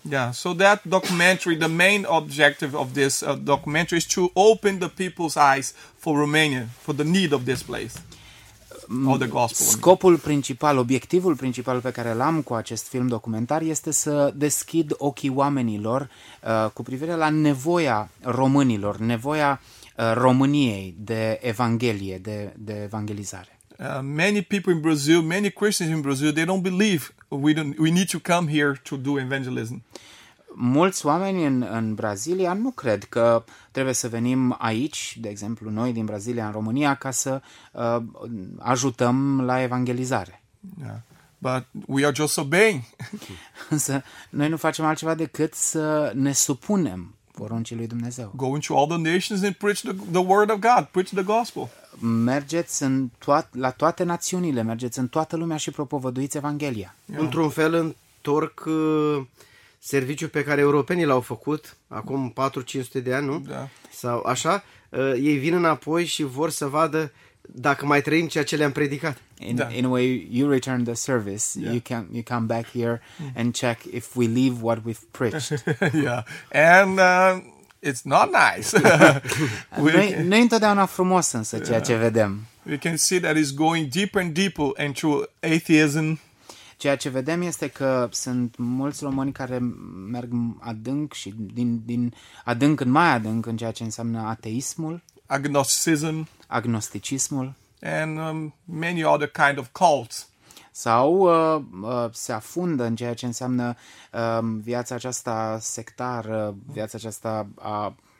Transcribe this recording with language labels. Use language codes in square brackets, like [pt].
[en] Yeah, so that documentary, the main objective of this documentary is to open the people's eyes for Romania, for the need of this place. The gospel. [ro] Scopul principal, obiectivul principal pe care l-am cu acest film documentar este să deschid ochii oamenilor cu privire la nevoia românilor, nevoia României de evanghelie, de evangelizare. [en] Many people in Brazil, many Christians in Brazil, they don't believe we need to come here to do evangelism. [ro] Mulți oameni în Brazilia nu cred că trebuie să venim aici, de exemplu noi din Brazilia în România, ca să ajutăm la evangelizare. [en] Yeah. But we are just obeying. [ro] Însă noi nu facem altceva decât să ne supunem poruncii lui Dumnezeu. [en] Go into all the nations and preach the word of God, preach the gospel. [ro] Mergeți în la toate națiunile, mergeți în toată lumea și propovăduiți Evanghelia. [en] Yeah. [ro] Într-un fel întorc serviciul pe care europenii l-au făcut acum 400-500 de ani, nu? Da. Sau așa, ei vin înapoi și vor să vadă dacă mai trăim ceea ce le-am predicat. [en] In a way, you return the service. Yeah. You come back here and check if we live what we've preached. Yeah. And it's not nice. [ro] Nu-i întotdeauna frumos însă ceea ce vedem. [en] We can see that it's going deeper and deeper into atheism. [ro] Ceea ce vedem este că sunt mulți români care merg adânc și din adânc în mai adânc în ceea ce înseamnă ateismul, [en] agnosticism, [ro] agnosticismul, [en] and many other kind of cults. [ro] Sau se afundă în ceea ce înseamnă viața aceasta sectară, viața aceasta a